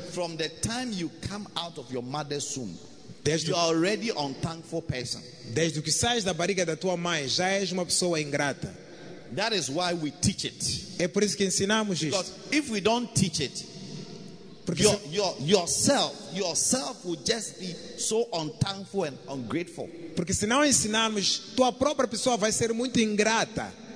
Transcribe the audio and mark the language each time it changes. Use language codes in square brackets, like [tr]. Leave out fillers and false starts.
[en] From the time you come out of your mother's womb, you are already an unthankful person. [pt] Desde que sais da barriga da tua mãe, já és uma pessoa ingrata. [en] That is why we teach it. [pt] É por isso que ensinamos isso. [en] Because if we don't teach it, yourself will just be so unthankful and ungrateful. [pt] Porque se não ensinarmos, tua própria pessoa vai ser muito ingrata.